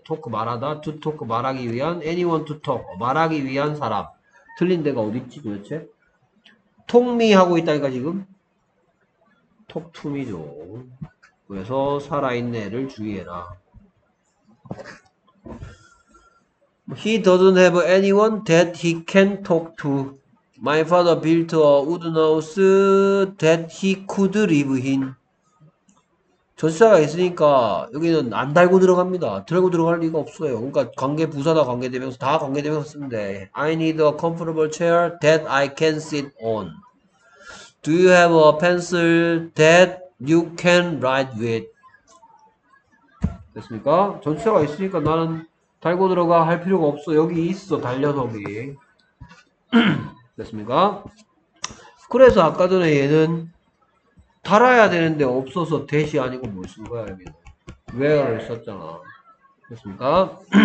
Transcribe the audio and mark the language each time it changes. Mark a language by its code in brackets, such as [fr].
[ko] talk 말하다, to talk 말하기 위한, [en] anyone to talk [ko] 말하기 위한 사람. 틀린 데가 어딨지 도대체? talk me 하고 있다니까 지금. [en] talk to me [ko] 죠. 그래서 살아있네를 주의해라. [en] he doesn't have anyone that he can talk to. my father built a wooden house that he could live in. [ko] 전치사가 있으니까 여기는 안 달고 들어갑니다. 들고 들어갈 리가 없어요. 그러니까 관계 부사다 관계대명사 다 관계대명사 쓰면 돼. [en] I need a comfortable chair that I can sit on. Do you have a pencil that you can write with? [ko] 됐습니까? 전치사가 있으니까 나는 달고 들어가 할 필요가 없어. 여기 있어 달려서기. 됐습니까? 그래서 아까 전에 얘는 달아야 되는데 없어서 대시 아니고 뭘쓴 거야 여기 where를 썼잖아. 됐습니까?